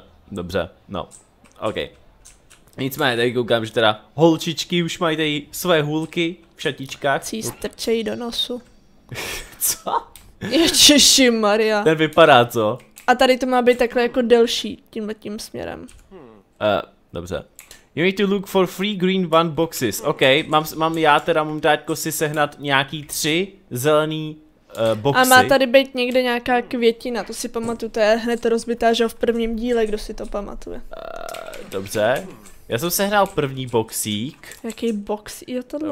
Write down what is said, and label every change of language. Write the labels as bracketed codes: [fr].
[cs] Dobře, no. OK. Nicméně, tady koukám, že teda holčičky už mají tady své hůlky v šatičkách. Cí strčejí do nosu. Co? Ježiši Maria. Ten vypadá co? A tady to má být takhle jako delší, tímhletím směrem. Dobře. [en] You need to look for three green one boxes. [cs] OK, mám já teda momentátko si sehnat nějaký tři zelený boxy. A má tady být někde nějaká květina, to si pamatuju, to je hned rozbitá, že v prvním díle, kdo si to pamatuje. Dobře. Já jsem sehnal první boxík. Jaký box? Jo, tohle.